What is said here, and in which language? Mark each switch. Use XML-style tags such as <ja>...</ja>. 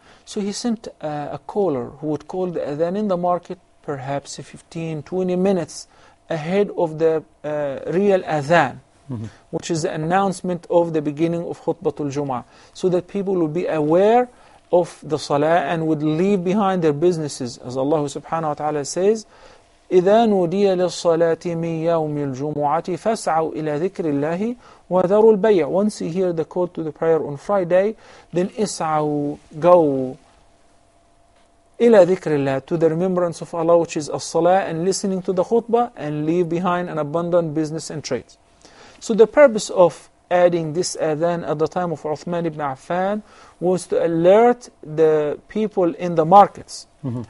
<en>So he sent a caller who would call the adhan in the market perhaps 15, 20 minutes ahead of the real adhan, mm-hmm. which is the announcement of the beginning of khutbatul jum'ah, so that people would be aware of the salah and would leave behind their businesses. As Allah subhanahu wa ta'ala says,</en> <ar>إِذَا نُودِيَ لِلصَّلَاةِ مِنْ يَوْمِ الْجُمُعَةِ فَاسْعَوْا إِلَى ذِكْرِ اللَّهِ وَذَرُوا الْبَيْعِ.</ar> <en>Once you hear the call to the prayer on Friday, then إِسْعَوْا, go</en> <ar>إِلَى ذِكْرِ اللَّهِ,</ar> <en>to the remembrance of Allah, which is as-salah, and listening to the khutbah, and leave behind an abundant business and trade. So the purpose of adding this adhan at the time of Uthman ibn Affan was to alert the people in the markets mm-hmm.</en>